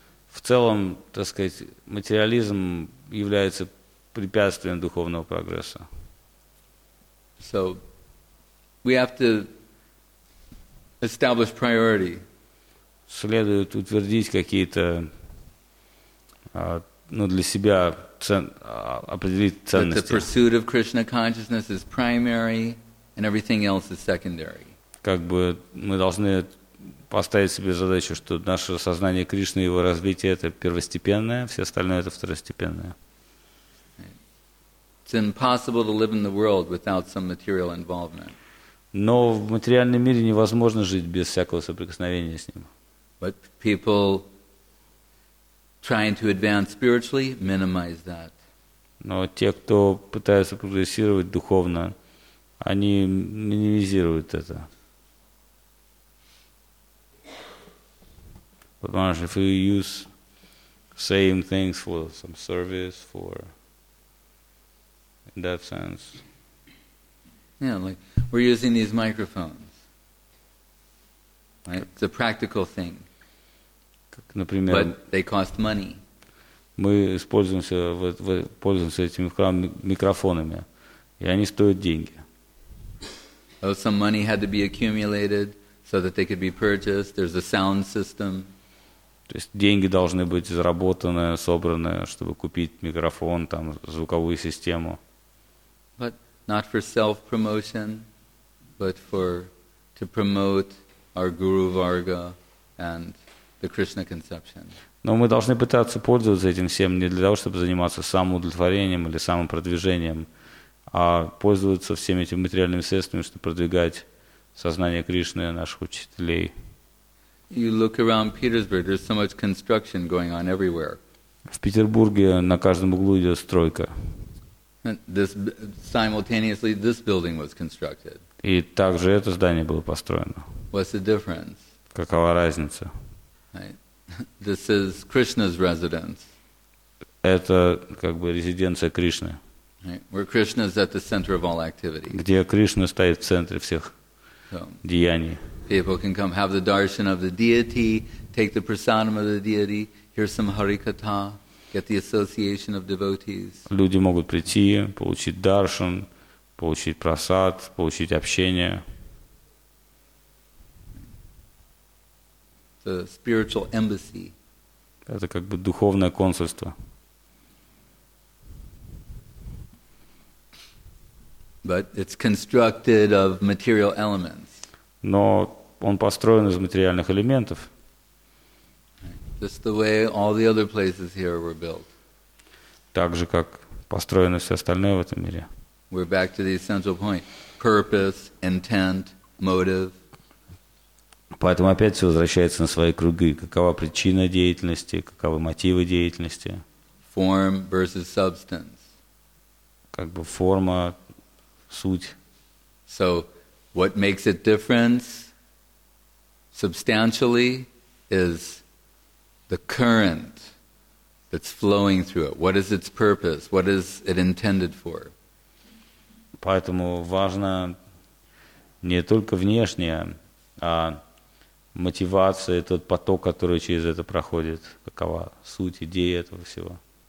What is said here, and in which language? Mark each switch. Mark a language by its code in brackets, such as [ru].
[ru] В целом, так сказать, материализм является препятствием духовного прогресса. [en] So we have to establish priority. [ru] Следует утвердить какие-то для себя определить ценности. [en] The pursuit of Krishna consciousness is primary and everything else is secondary. [ru] Как бы мы должны поставить себе задачу, что наше сознание Кришны и его развитие это первостепенное, все остальное это второстепенное. [en] It's impossible to live in the world without some material involvement. [ru] Но в материальном мире невозможно жить без всякого соприкосновения с ним. [en] But people trying to advance spiritually minimize that. [ru] Но те, кто пытается прогрессировать духовно, они минимизируют это. [en] But if you use same things for some service, for in that sense. Yeah, like we're using these microphones. Right? It's a practical thing. [ru] Как, например, [en] but they cost money. [ru] Мы пользуемся этими микрофонами, и они стоят деньги. [en] Oh, some money had to be accumulated so that they could be purchased. There's a sound system. [ru] То есть деньги должны быть заработаны, собраны, чтобы купить микрофон, там, звуковую систему. [en] But not for self-promotion, but for to promote our Guru Varga and the Krishna conception. [ru] Но мы должны пытаться пользоваться этим всем не для того, чтобы заниматься самоудовлетворением или самопродвижением, а пользоваться всеми этими материальными средствами, чтобы продвигать сознание Кришны и наших учителей. [en] You look around Petersburg, there's so much construction going on everywhere. [ru] В Петербурге на каждом углу идет стройка. [en] And this simultaneously this building was constructed. [ru] И также это здание было построено. [en] What's the difference? [ru] Какова разница? [en] Right. This is Krishna's residence. [ru] Это как бы резиденция Кришны. [en] Right. Where Krishna is at the center of all activity. [ru] Где Кришна стоит в центре всех деяний. [en] People can come have the darshan of the deity, take the prasadam of the deity, hear some harikatha, get the association of devotees. [ru] Люди могут прийти, получить даршан, получить прасад, получить общение. [en] The spiritual embassy. [ru] Это как бы духовное консульство. [en] But it's constructed of material elements. [ru] Но он построен из материальных элементов. [en] Just the way all the other places here were built. [ru] Так же, как построено все остальное в этом мире. [en] We're back to the essential point. Purpose, intent, motive. [ru] Поэтому опять все возвращается на свои круги. Какова причина деятельности, каковы мотивы деятельности. [en] Form versus substance. [ru] Как бы форма, суть. [en] So, what makes a difference substantially is the current that's flowing through it. What is its purpose? What is it intended for? [ru] Поэтому важно не только внешнее, а мотивация, тот поток, который через это проходит. Какова суть, идея этого всего?